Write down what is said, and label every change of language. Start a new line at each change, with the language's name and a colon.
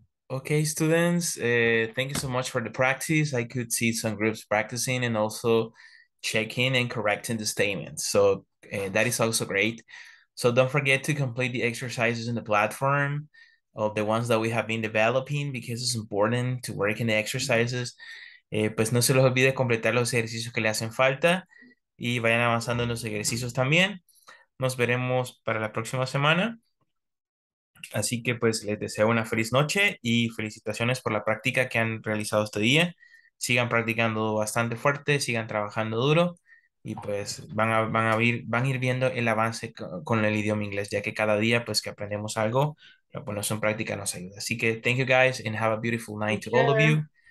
English: Okay, students, thank you so much for the practice. I could see some groups practicing and also checking and correcting the statements. So that is also great. So don't forget to complete the exercises in the platform of the ones that we have been developing, because it's important to work in the exercises.
Spanish: Pues no se los olvide completar los ejercicios que le hacen falta y vayan avanzando en los ejercicios también. Nos veremos para la próxima semana. Así que pues les deseo una feliz noche y felicitaciones por la práctica que han realizado este día. Sigan practicando bastante fuerte, sigan trabajando duro y pues van a ir viendo el avance con el idioma inglés, ya que cada día pues que aprendemos algo, lo ponemos en práctica nos ayuda. Así que
English: thank you guys and have a beautiful night to all of you.